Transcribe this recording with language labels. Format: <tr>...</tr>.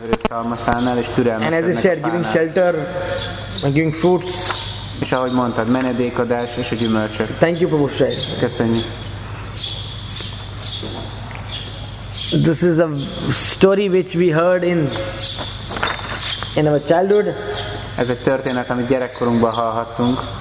<en>And as I said, giving shelter, giving fruits.</en> <hu>És ahogy mondtad, menedékadás és a gyümölcsök.</hu> <en>Thank you, Prabhu Sri.</en> <hu>Köszönjük.</hu> <en>This is a story which we heard in our childhood.</en> <hu>Ez egy történet, amit gyerekkorunkban hallhattunk.</hu>